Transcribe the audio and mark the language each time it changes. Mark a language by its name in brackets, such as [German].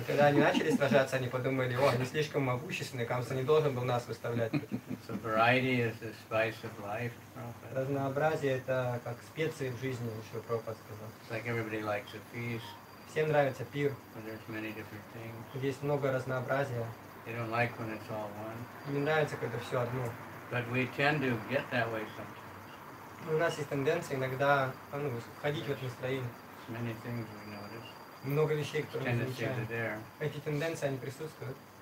[Russian] А когда они начали сражаться, они подумали, о, они слишком могущественные, Камса не должен был нас выставлять. [English] So variety is the spice of life. [Russian] Разнообразие — это как специи в жизни, еще Прабхупада сказал. [English] It's like everybody likes a feast. [Russian] Всем нравится пир. [English] There's many different things. [Russian] Здесь много разнообразия. [English] They don't like when it's all one. [Russian] Не нравится, когда все одно. [English] But we tend to get that way sometimes. [Russian] У нас есть тенденция иногда входить в это настроение. [English] Many things we notice. [Russian] Много вещей, которые мы замечаем. Эти тенденции, они присутствуют.